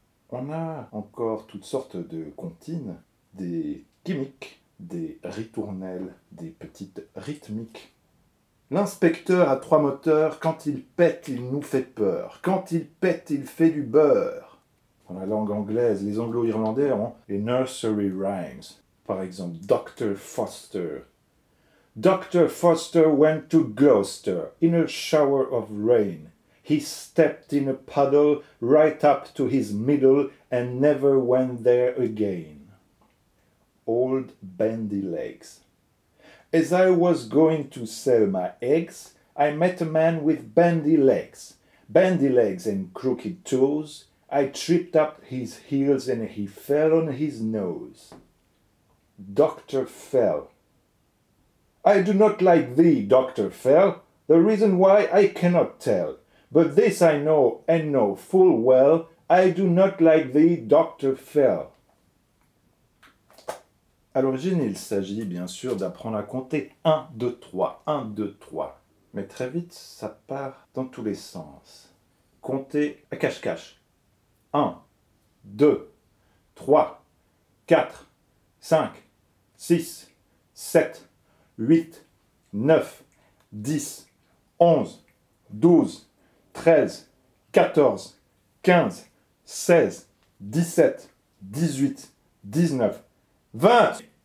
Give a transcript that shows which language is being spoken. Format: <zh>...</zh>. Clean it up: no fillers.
<fr>On a encore toutes sortes de comptines, des gimmicks, des ritournelles, des petites rythmiques. L'inspecteur à trois moteurs, quand il pète, il nous fait peur. Quand il pète, il fait du beurre. Dans la langue anglaise, les anglo-irlandais ont les nursery rhymes. Par exemple, Dr. Foster. Dr.</fr> <en>Foster went to Gloucester in a shower of rain. He stepped in a puddle right up to his middle and never went there again. Old bendy legs. As I was going to sell my eggs, I met a man with bendy legs. Bendy legs and crooked toes. I tripped up his heels and he fell on his nose. Doctor Fell. I do not like thee, Doctor Fell. The reason why I cannot tell. But this I know, and know full well, I do not like thee, Dr. Fell.</en> <fr>À l'origine, il s'agit bien sûr d'apprendre à compter 1, 2, 3, 1, 2, 3. Mais très vite, ça part dans tous les sens. Compter à cache-cache. 1, 2, 3, 4, 5, 6, 7, 8, 9, 10, 11, 12, 13, 14, 15, 16, 17, 18, 19, 20!</fr>